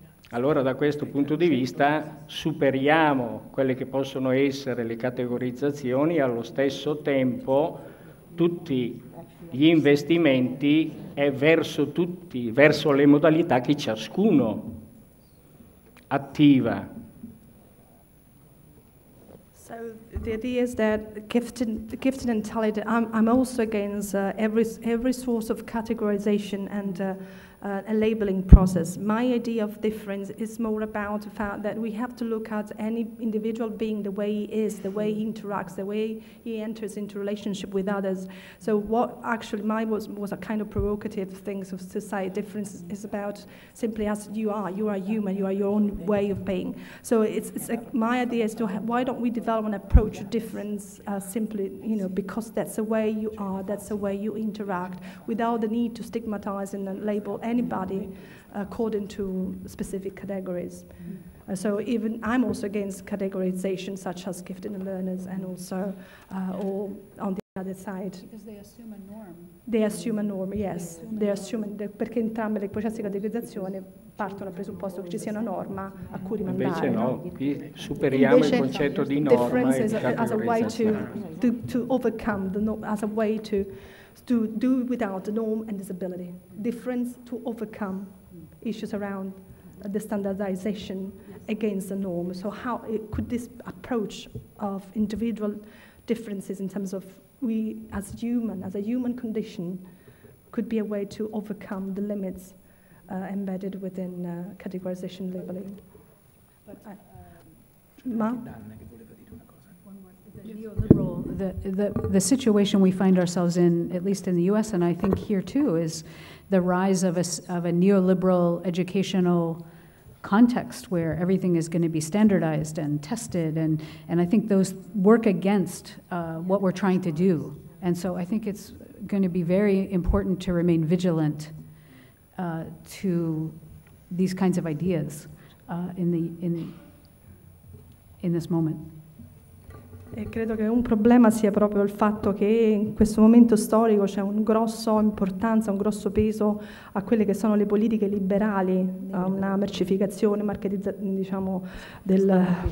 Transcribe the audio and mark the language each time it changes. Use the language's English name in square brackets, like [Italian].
[Italian] Allora, da questo punto di vista, superiamo quelle che possono essere le categorizzazioni, allo stesso tempo tutti gli investimenti è verso tutti, verso le modalità che ciascuno attiva. [English] So the idea is that gifted and talented, I'm also against every source of categorization and a labeling process. My idea of difference is more about the fact that we have to look at any individual being the way he is, the way he interacts, the way he enters into relationship with others. So what actually mine was a kind of provocative thing of society. Difference is about simply as you are human, you are your own way of being. So my idea is to why don't we develop an approach to difference simply, you know, because that's the way you are, that's the way you interact, without the need to stigmatize and label anybody according to specific categories. Mm-hmm. So even I'm also against categorization such as gifted learners and also or on the other side. Because they assume a norm. They assume a norm, yes. [Italian] Perché entrambe le processi di categorizzazione partono dal presupposto che ci sia una norma a cui rimandare. Invece no, qui superiamo il concetto di norma e categorizzazione. [English] As a way to overcome the norm, as a way to do without the norm and disability. Difference to overcome issues around the standardization against the norm. So how could this approach of individual differences in terms of we as human, as a human condition, could be a way to overcome the limits embedded within categorization labeling? The situation we find ourselves in, at least in the U.S., and I think here too, is the rise of a neoliberal educational context where everything is going to be standardized and tested, and I think those work against what we're trying to do. And so I think it's going to be very important to remain vigilant to these kinds of ideas in this moment. [Italian] E credo che un problema sia proprio il fatto che in questo momento storico c'è un grosso importanza, un grosso peso a quelle che sono le politiche liberali, a una mercificazione, diciamo, del...